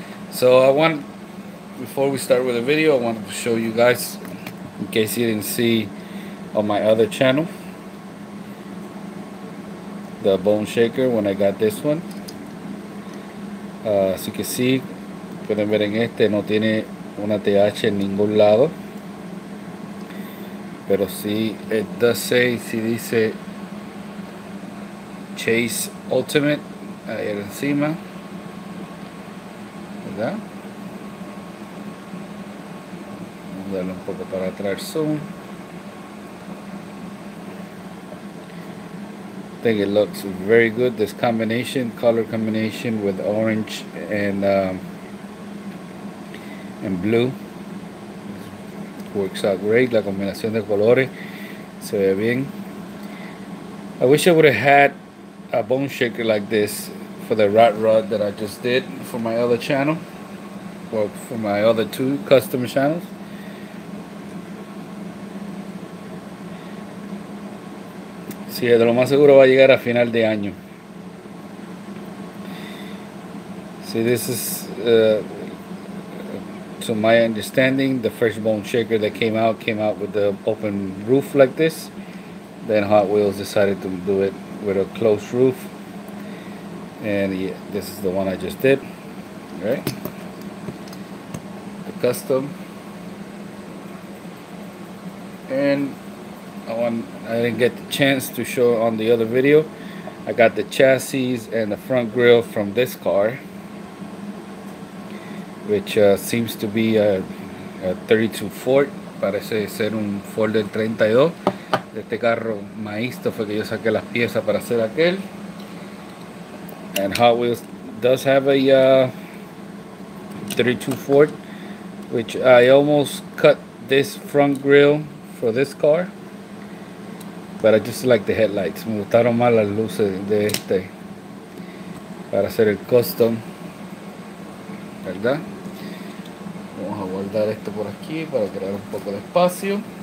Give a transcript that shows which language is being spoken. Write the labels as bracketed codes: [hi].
[en] So I want, before we start with the video, I wanted to show you guys, in case you didn't see on my other channel, the bone shaker when I got this one. [es] Así que sí, pueden ver en este, no tiene una TH en ningún lado, pero sí, [en] it does say, [es] si dice Chase Ultimate ahí encima, ¿verdad? Vamos a darle un poco para atrás, zoom. [en] I think it looks very good, this combination, color combination with orange and en blue. Works out great. [es] La combinación de colores se ve bien. [en] I wish I would have had a bone shaker like this for the rat rod that I just did for my other channel. Well, for my other two custom channels. [es] Sí, de lo más seguro va a llegar a final de año. [en] See, this is to my understanding, the first bone shaker that came out with the open roof like this. Then Hot Wheels decided to do it with a closed roof. And yeah, this is the one I just did. All right? The custom. And I didn't get the chance to show on the other video. I got the chassis and the front grille from this car, which seems to be a 32 Ford. [es] Parece ser un Ford del 32. De este carro maestro fue que yo saqué las piezas para hacer aquel. [en] And Hot Wheels does have a 32 Ford, which I almost cut this front grille for this car, but I just like the headlights. [es] Me gustaron más las luces de este para hacer el custom, ¿verdad? Vamos a guardar esto por aquí para crear un poco de espacio.